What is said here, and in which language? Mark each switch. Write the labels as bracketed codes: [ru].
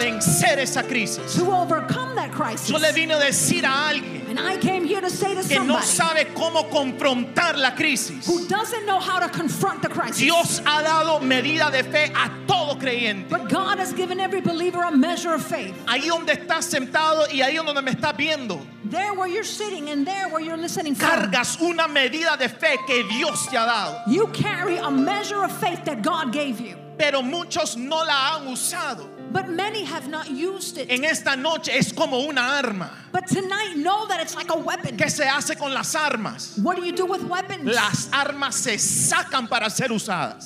[es] vencer esa crisis, [en] to overcome that crisis. [es] Yo le vine a decir a alguien, [en] and I came here to say to [es] que [en] somebody, [es] no sabe cómo confrontar la crisis, [en] who doesn't know how to confront the crisis. [es] Dios ha dado medida de fe a todo creyente. [en] But God has given every believer a measure of faith. [es] Ahí donde estás sentado y ahí donde me estás viendo, [en] there where you're sitting and there where you're listening, [es] cargas una medida de fe que Dios te ha dado. [en] You carry a measure of faith that God gave you. [es] Pero muchos no la han usado. [en] But many have not used it. [es] En esta noche es como una arma. [en] But tonight, know that it's like a weapon. [es] ¿Qué se hace con las armas? [en] What do you do with weapons? [es] Las armas se sacan para ser usadas.